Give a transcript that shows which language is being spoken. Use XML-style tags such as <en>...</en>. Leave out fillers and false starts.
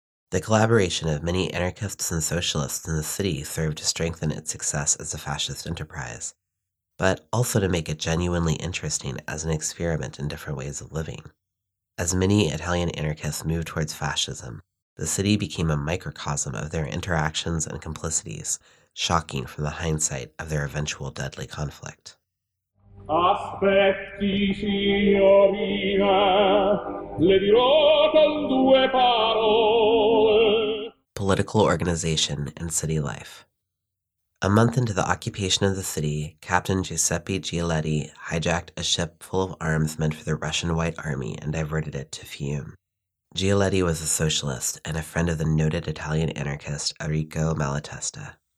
<en>The collaboration of many anarchists and socialists in the city served to strengthen its success as a fascist enterprise, but also to make it genuinely interesting as an experiment in different ways of living. As many Italian anarchists moved towards fascism, the city became a microcosm of their interactions and complicities, shocking from the hindsight of their eventual deadly conflict.</en> <it>Aspetti, signorina, le dirò con due parole.</it> <en>Political organization and city life. A month into the occupation of the city, Captain Giuseppe Gialetti hijacked a ship full of arms meant for the Russian White Army and diverted it to Fiume. Gialetti was a socialist and a friend of the noted Italian anarchist Errico Malatesta.</en>